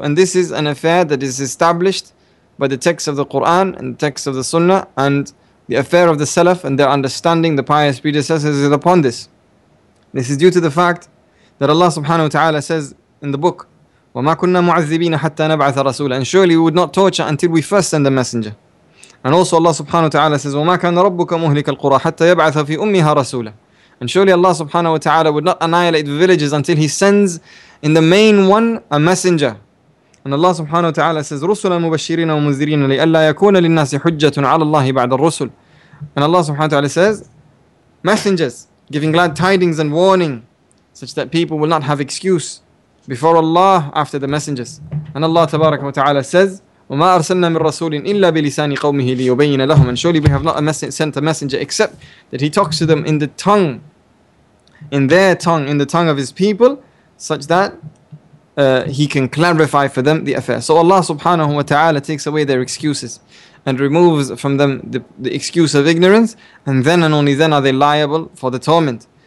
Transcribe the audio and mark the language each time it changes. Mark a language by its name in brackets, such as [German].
[English] And this is an affair that is established by the text of the Quran and the text of the Sunnah, and the affair of the Salaf and their understanding, the pious predecessors, is upon this. This is due to the fact that Allah subhanahu wa ta'ala says in the book, [Arabic] وَمَا كُنَّا مُعَذِّبِينَ حَتَّى نَبْعَثَ رَسُولًا. [English] And surely we would not torture until we first send a messenger. And also Allah subhanahu wa ta'ala says, [Arabic] وَمَا كَانَ رَبُّكَ مُهْلِكَ الْقُرَى حَتَّى يَبْعَثَ فِي أُمِّهَا رَسُولًا. [English] And surely Allah subhanahu wa ta'ala would not annihilate the villages until he sends in the main one a messenger. And Allah subhanahu wa ta'ala says, [Arabic] رُسُلًا مُبَشِّرِينَ وَمُنذِرِينَ لِئَلَّا يَكُونَ لِلنَّاسِ حُجَّةٌ عَلَى اللَّهِ بَعْدَ الرُّسُلِ. [English] And Allah subhanahu wa ta'ala says, messengers giving glad tidings and warning, such that people will not have excuse before Allah after the messengers. And Allah tabaraka wa ta'ala says, [Arabic] وَمَا أَرْسَلْنَا مِنْ رَسُولٍ إِلَّا بِلِسَانِ قَوْمِهِ لِيُبَيِّنَ لَهُمْ. [English] And surely we have not sent a messenger except that he talks to them in the tongue, in their tongue, in the tongue of his people, such that he can clarify for them the affair. So Allah subhanahu wa ta'ala takes away their excuses and removes from them the excuse of ignorance, and then and only then are they liable for the torment.